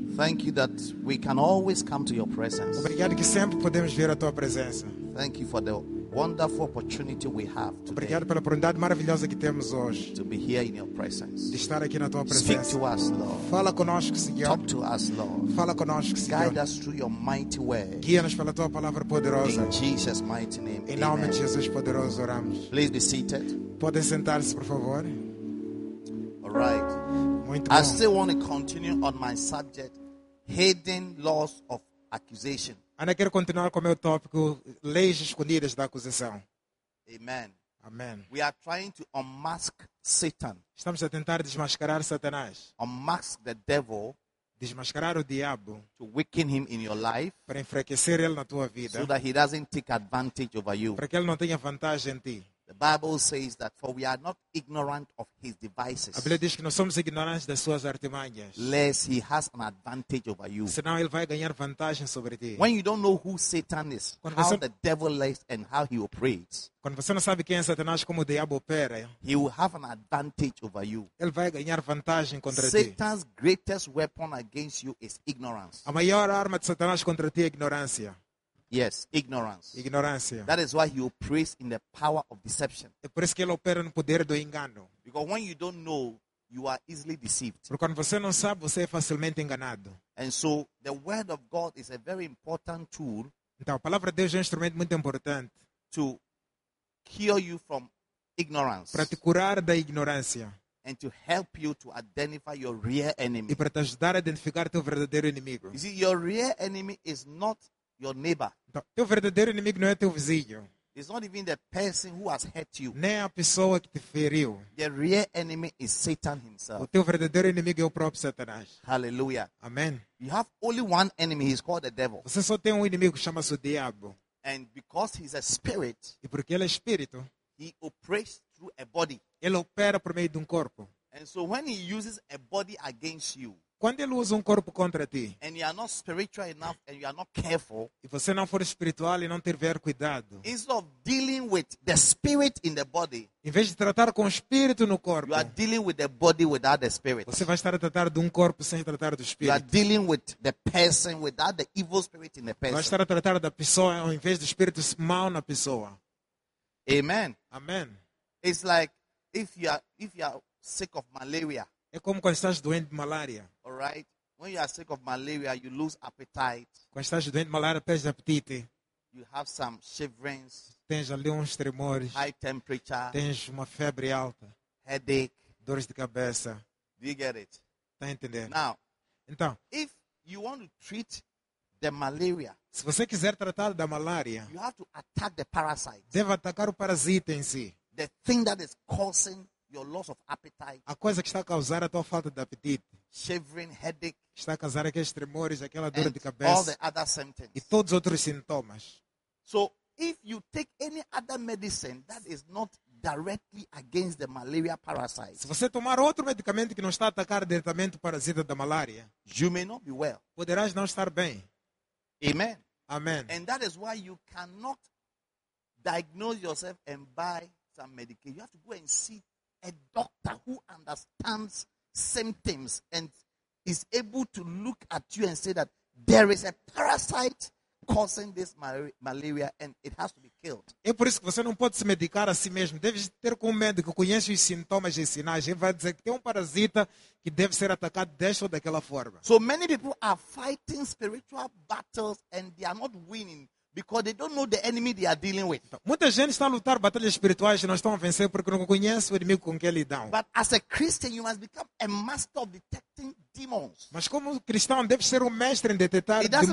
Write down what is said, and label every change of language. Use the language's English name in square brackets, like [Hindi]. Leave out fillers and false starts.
[English] Thank you that we can always come to your presence. [Portuguese] Obrigado que sempre podemos vir à tua presença. [English] Thank you for the wonderful opportunity we have today. [Portuguese] Obrigado pela oportunidade maravilhosa que temos hoje. [English] To be here in your presence. [Portuguese] De estar aqui na tua presença. [English] Speak to us, Lord. [Portuguese] Fala conosco, Senhor. [English] Talk to us, Lord. [Portuguese] Fala conosco, Senhor. [English] Guide us through your mighty word. [Portuguese] Guia-nos pela tua palavra poderosa. [English] In Jesus' mighty name. [Portuguese] Em nome de Jesus poderoso oramos. [English] Please be seated. [Portuguese] Podem sentar-se, por favor. [English] All right. [Portuguese] Muito bom. [English] I still want to continue on my subject, hidden laws of accusation. [Portuguese] Ainda quero continuar com o meu tópico, leis escondidas da acusação. [English] Amen. [Portuguese] Amen. [English] We are trying to unmask Satan. [Portuguese] Estamos a tentar desmascarar Satanás. [English] Unmask the devil. [Portuguese] Desmascarar o diabo. [English] To weaken him in your life. [Portuguese] Para enfraquecer ele na tua vida. [English] So that he doesn't take advantage over you. [Portuguese] Para que ele não tenha vantagem em ti. [English] The Bible says that for we are not ignorant of his devices. [Portuguese] A Bíblia diz que nós somos ignorantes das suas artimanhas. [English] Lest he has an advantage over you. [Portuguese] Senão ele vai ganhar vantagem sobre ti. [English] When you don't know who Satan is, [Portuguese] quando você, [English] how the devil lives and how he operates. [Portuguese] Quando você não sabe quem é Satanás, como o diabo opera. [English] He will have an advantage over you. [Portuguese] Ele vai ganhar vantagem contra [English] Satan's [Portuguese] ti. [English] Satan's greatest weapon against you is ignorance. [Portuguese] A maior arma de Satanás contra ti é ignorância. [English] Yes, ignorance. [Portuguese] Ignorância. [English] That is why he operates in the power of deception. [Portuguese] É por isso que ele opera no poder do engano. [English] Because when you don't know, you are easily deceived. [Portuguese] Porque quando você não sabe, você é facilmente enganado. [English] And so, the word of God is a very important tool. [Portuguese] Então, a palavra de Deus é um instrumento muito importante. [English] To cure you from ignorance. [Portuguese] Para te curar da ignorância. [English] And to help you to identify your real enemy. [Portuguese] E para te ajudar a identificar teu verdadeiro inimigo. [English] You see, your real enemy is not your neighbor. [Portuguese] Então, teu verdadeiro inimigo não é teu vizinho. [English] It's not even the person who has hurt you. [Portuguese] Nem a pessoa que te feriu. [English] The real enemy is Satan himself. [Portuguese] O teu verdadeiro inimigo é o próprio Satanás. [English] Hallelujah. [Portuguese] Amen. [English] You have only one enemy. He's called the devil. [Portuguese] Você só tem um inimigo que chama-se o diabo. [English] And because he's a spirit. [Portuguese] E porque ele é espírito. [English] He operates through a body. [Portuguese] Ele opera por meio de corpo. [English] And so when he uses a body against you. [Portuguese] Quando ele usa corpo contra ti, [English] and you are not spiritual enough and you are not careful, [Portuguese] e você não for espiritual e não tiver cuidado, [English] instead of dealing with the spirit in the body, [Portuguese] em vez de tratar com o espírito no corpo, [English] you are dealing with the body without the spirit. [Portuguese] Você vai estar a tratar de corpo sem tratar do espírito. [English] You are dealing with the person without the evil spirit in the person. [Portuguese] Vai estar a tratar da pessoa em vez do espírito mau na pessoa. [English] Amen. [Portuguese] Amen. [English] It's like if you are sick of malaria. [Portuguese] É como quando estás doente de malária. [English] All right. When you are sick of malaria, you lose appetite. [Portuguese] Quando estás doente de malária, perdes apetite. [English] You have some shiverings. [Portuguese] Tens ali uns tremores. [English] High temperature. [Portuguese] Tens uma febre alta. [English] Headache. [Portuguese] Dores de cabeça. [English] Do you get it? [Portuguese] Tá entendendo? [English] Now, [Portuguese] então, [English] if you want to treat the malaria, [Portuguese] se você quiser tratar da malária, [English] you have to attack the parasite. [Portuguese] Deve atacar o parasita em si. [English] The thing that is causing your loss of appetite. [Portuguese] A coisa que está a causar a tua falta de apetite. [English] Shivering, headache. [Portuguese] Está a causar aqueles tremores, aquela dor de cabeça. [English] All the other symptoms. [Portuguese] E todos os outros sintomas. [English] So, if you take any other medicine that is not directly against the malaria parasite. [Portuguese] Se você tomar outro medicamento que não está a atacar diretamente o parasita da malária, [English] you may not be well. [Portuguese] Poderás não estar bem. [English] Amen. [Portuguese] Amen. [English] And that is why you cannot diagnose yourself and buy some medication. You have to go and see a doctor who understands symptoms and is able to look at you and say that there is a parasite causing this malaria and it has to be killed. [Portuguese] É por isso que você não pode se medicar a si mesmo. Deve ter com um médico que conhece os sintomas e sinais. Ele vai dizer que tem parasita que deve ser atacado desta ou daquela forma. [English] So many people are fighting spiritual battles and they are not winning. Because they don't know the enemy they are dealing with. [Portuguese] Muita gente está a lutar batalhas espirituais e não estão a vencer porque não conhece o inimigo com que ele dá. [English] But as a Christian, you must become a master of detecting demons. [Portuguese] Mas como cristão, deve ser mestre em detectar demônios.